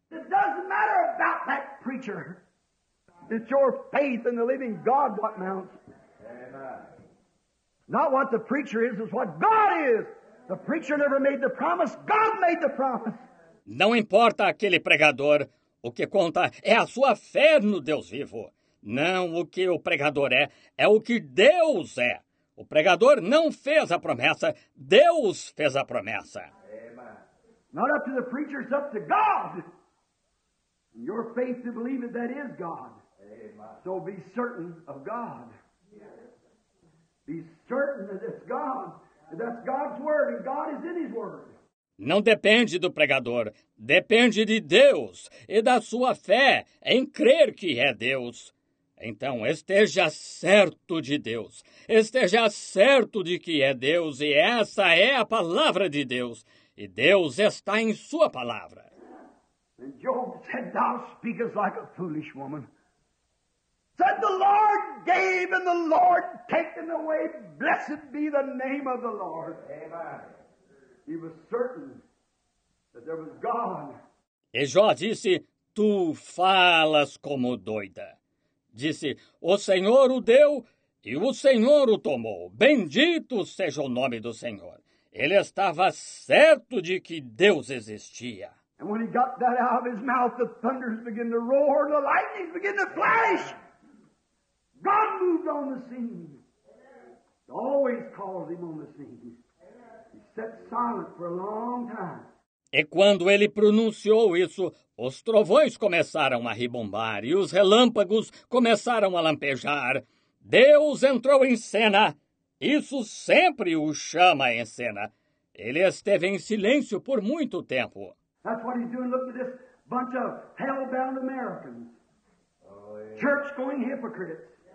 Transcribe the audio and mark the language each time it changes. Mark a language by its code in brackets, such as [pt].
[en] It doesn't matter about that preacher. It's your faith in the living God what counts. Amen. Not what the preacher is what God is. The preacher never made the promise. God made the promise. [pt] Não importa aquele pregador. O que conta é a sua fé no Deus vivo. Não o que o pregador é. É o que Deus é. O pregador não fez a promessa. Deus fez a promessa. [en] Amen. Not up to the preacher, it's up to God. And your faith to believe it, that is God. Amen. So be certain of God. Be certain that it's God. That's God's word, and God is in his word. [pt] Não depende do pregador, depende de Deus e da sua fé em crer que é Deus. Então esteja certo de Deus, esteja certo de que é Deus e essa é a palavra de Deus. E Deus está em sua palavra. [en] And Job said, thou speakest like a foolish woman. Said, the Lord gave and the Lord taken away. Blessed be the name of the Lord. Amen. He was certain that there was God. [pt] E Jó disse, tu falas como doida. Disse, o Senhor o deu e o Senhor o tomou. Bendito seja o nome do Senhor. Ele estava certo de que Deus existia. [en] And when he got that out of his mouth, the thunders began to roar, the lightnings began to flash. God moved on the scene. He always calls him on the scene. He sat silent for a long time. [pt] E quando ele pronunciou isso, os trovões começaram a ribombar e os relâmpagos começaram a lampejar. Deus entrou em cena Isso sempre o chama em cena. Ele esteve em silêncio por muito tempo. [en] That's what he's doing. Look at this bunch of hell-bound Americans. Oh, yeah. Church-going hypocrites.